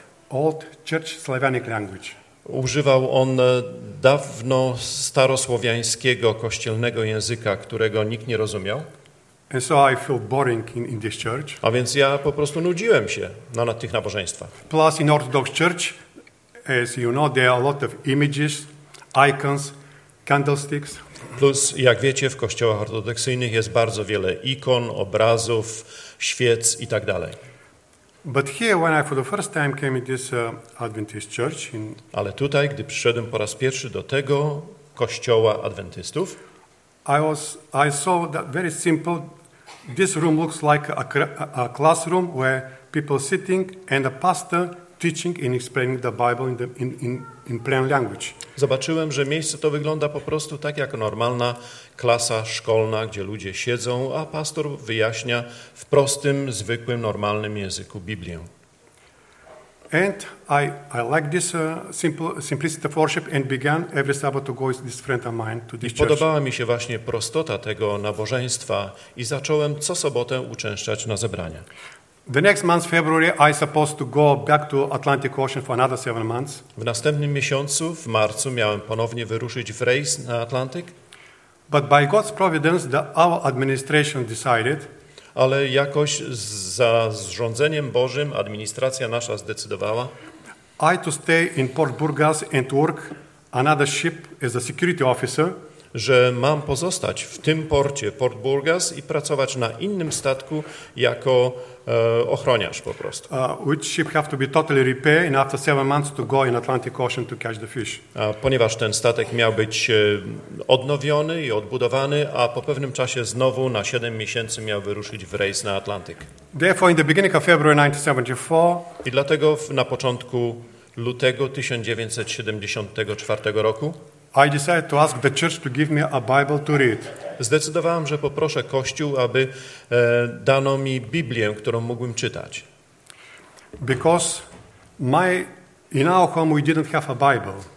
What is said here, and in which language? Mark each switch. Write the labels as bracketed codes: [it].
[en] Old church Slavonic language. [pl] Używał on dawno starosłowiańskiego kościelnego języka, którego nikt nie rozumiał. [en] And so I feel boring in this church. [pl] A więc ja po prostu nudziłem się na tych nabożeństwach. [en] Plus in Orthodox Church, as you know, there are a lot of images, icons, candlesticks. [pl] Plus, jak wiecie, w kościołach ortodoksyjnych jest bardzo wiele ikon, obrazów, świec i tak dalej. [en] But here, when I for the first time came to this Adventist church, [pl] ale tutaj, gdy przyszedłem po raz pierwszy do tego kościoła adwentystów, [en] I saw that very simple. This room looks like a classroom where people sitting and a pastor teaching and explaining the Bible in plain language. [pl] Zobaczyłem, że miejsce to wygląda po prostu tak jak normalna klasa szkolna, gdzie ludzie siedzą, a pastor wyjaśnia w prostym, zwykłym, normalnym języku Biblię. [en] And I like this simplicity of worship and began every Sabbath to go with this friend of mine to this church. [pl] Podobała mi się właśnie prostota tego nabożeństwa i zacząłem co sobotę uczęszczać na zebrania. [en] The next month, February, I supposed to go back to Atlantic Ocean for another 7 months. [pl] W następnym miesiącu, w marcu, miałem ponownie wyruszyć w rejs na Atlantyk. [en] But by God's providence, our administration decided. [pl] Ale jakoś za zrządzeniem Bożym administracja nasza zdecydowała. [en] I to stay in Port Burgas and work another ship as a security officer. [pl] że mam pozostać w tym porcie, Port Burgas, i pracować na innym statku jako ochroniarz po prostu. [en] Which ship have to be totally repaired and after 7 months to go in Atlantic Ocean to catch the fish. [pl] Ponieważ ten statek miał być odnowiony i odbudowany, a po pewnym czasie znowu na 7 miesięcy miał wyruszyć w rejs na Atlantyk. [en] Therefore in the beginning of February 1974. [pl] I dlatego na początku lutego 1974 roku [en] I decided to ask the church to give me a Bible to read. [pl] Zdecydowałem, że poproszę Kościół, aby dano mi Biblię, którą mógłbym czytać. [en] Because my in our home we didn't have a Bible.